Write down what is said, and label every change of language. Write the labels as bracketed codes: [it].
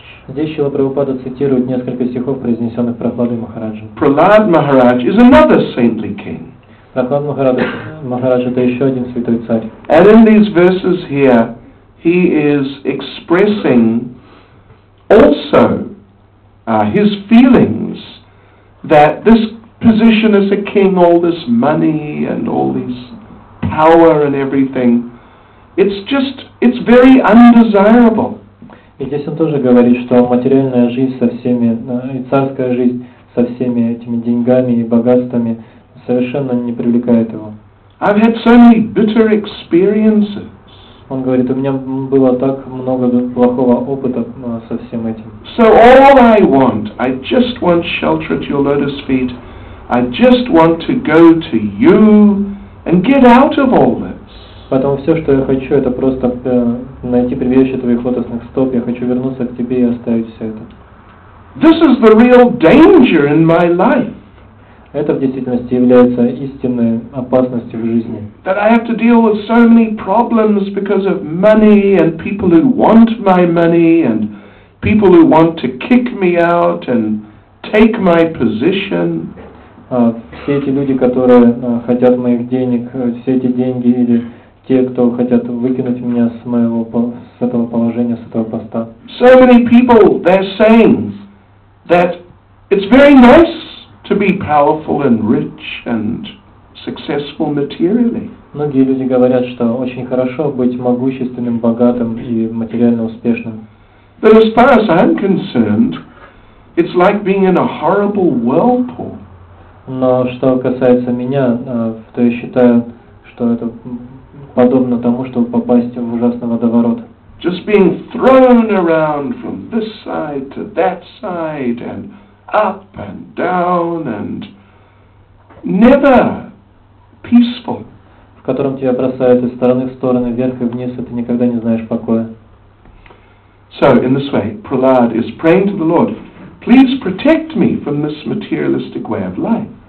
[ru] Здесь Шрила Прабхупада цитирует несколько стихов, произнесенных Прахладой Махараджем. [en] Prahlad Maharaj is another saintly king. [ru] Прахлад Махарадж — это еще один святой царь. [en] And in these verses here, he is expressing also his feelings that this position as a king, all this money and all this power and everything, it's very undesirable. [ru] И здесь он тоже говорит, что материальная жизнь со всеми, и царская жизнь со всеми этими деньгами и богатствами совершенно не привлекает его. [en] I've had so many bitter experiences. [ru] Он говорит, у меня было так много плохого опыта со всем этим. [en] So all I want, I just want shelter at your lotus feet. I just want to go to you and get out of all this. [ru] Поэтому все, что я хочу, это просто найти прибежище твоих лотосных стоп. Я хочу вернуться к тебе и оставить все это. [en] This is the real danger in my life. [ru] Это в действительности является истинной опасностью в жизни. [en] That I have to deal with so many problems because of money and people who want my money and people who want to kick me out and take my position. [ru] Все эти люди, которые хотят моих денег, все эти деньги или те, кто хотят выкинуть меня с моего с этого положения, с этого поста. [en] So many people, they're saying that it's very nice to be powerful and rich and successful materially. [ru] Многие люди говорят, что очень хорошо быть могущественным, богатым и материально успешным. [en] But as far as I'm concerned, it's like being in a horrible whirlpool. [ru] Но что касается меня, то я считаю, что это подобно тому, чтобы попасть в ужасный водоворот. [en] Just being thrown around from this side to that side and up and down and never peaceful. [ru] В котором тебя бросают из стороны в стороны, вверх и вниз, и ты никогда не знаешь покоя. [en] So, in this way, Prahlad is praying to the Lord, please protect me from this materialistic way of life.